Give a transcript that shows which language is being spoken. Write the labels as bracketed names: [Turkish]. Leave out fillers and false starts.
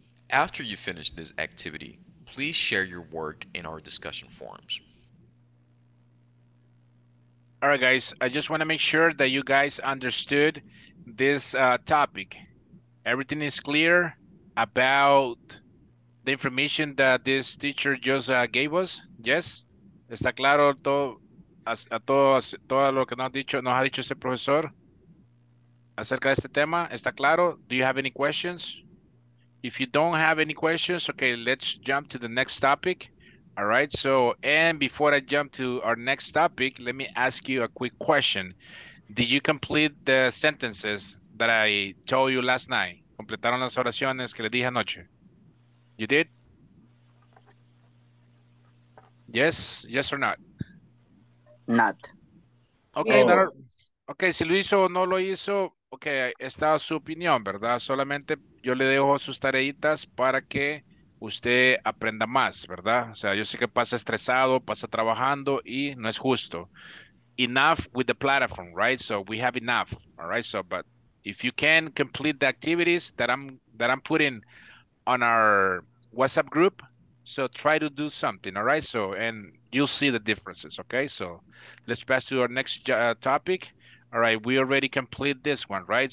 [English] After you finish this activity, please share your work in our discussion forums. All right, guys, I just want to make sure that you guys understood this topic. Everything is clear about the information that this teacher just gave us? Yes? [Spanish] ¿Está claro todo lo que nos ha dicho este profesor acerca de este tema? ¿Está claro? [English] Do you have any questions? If you don't have any questions, okay, let's jump to the next topic. All right, so, and before I jump to our next topic, let me ask you a quick question. Did you complete the sentences that I told you last night? [Spanish] ¿Completaron las oraciones que les dije anoche? [English] You did? Yes, yes or not? Not. Okay, no. [Spanish] Okay, si lo hizo o no lo hizo, okay, está su opinión, ¿verdad? Solamente yo le dejo sus tareitas para que usted aprenda más, ¿verdad? O sea, yo sé que pasa estresado, pasa trabajando y no es justo. [English] Enough with the platform, right? So we have enough, all right? So, but if you can complete the activities that I'm putting on our WhatsApp group, so try to do something, all right? So, and you'll see the differences, okay? So let's pass to our next topic. All right, we already complete this one, right?